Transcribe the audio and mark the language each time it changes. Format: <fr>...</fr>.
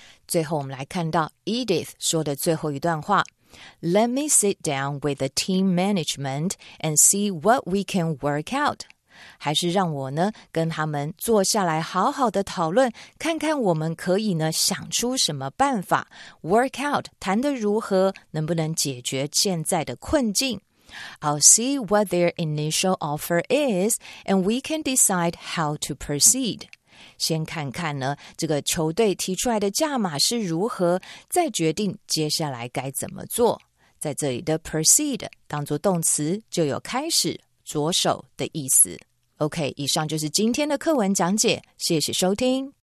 <zh>最后我们来看到 Edith 说的最后一段话，</zh> <en>Let me sit down with the team management and see what we can work out.</en> <zh>还是让我呢跟他们坐下来好好的讨论，看看我们可以呢想出什么办法。 Work out, 谈得如何，能不能解决现在的困境。</zh> <en>I'll see what their initial offer is and we can decide how to proceed.</en> <zh>先看看呢，这个球队提出来的价码是如何，再决定接下来该怎么做。在这里的 proceed 当作动词，就有开始、着手的意思。 OK， 以上就是今天的课文讲解，谢谢收听。</zh>